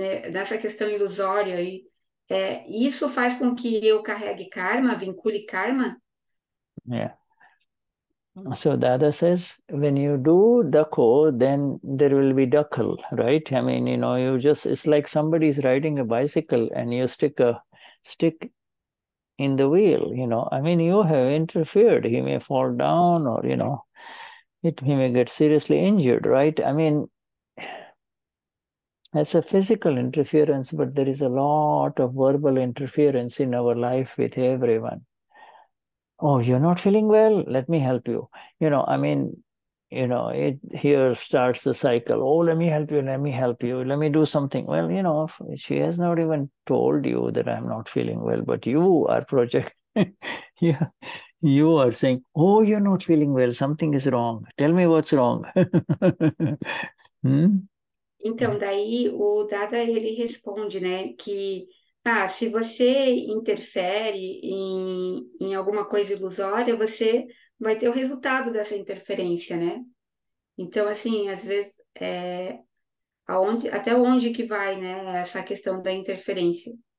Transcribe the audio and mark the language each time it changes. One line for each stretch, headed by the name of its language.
Portuguese: Nessa questão ilusória aí, isso faz com que eu carregue karma, vincule karma?
English: Yeah. So Dada says, when you do dakho, then there will be dakhal, right? I mean, you know, it's like somebody is riding a bicycle and you stick a stick in the wheel, you know. I mean, you have interfered. He may fall down or, you know, he may get seriously injured, right? I mean, that's a physical interference, but there is a lot of verbal interference in our life with everyone. Oh, you're not feeling well? Let me help you. You know, I mean, you know, it here starts the cycle. Oh, let me help you, let me help you, let me do something. Well, you know, she has not even told you that I'm not feeling well, but you are projecting. Yeah. You are saying, oh, you're not feeling well, something is wrong. Tell me what's wrong.
Portuguese: Então, daí o Dada, ele responde, né, que se você interfere em alguma coisa ilusória, você vai ter o resultado dessa interferência, né? Então, assim, às vezes, até onde que vai, né, essa questão da interferência?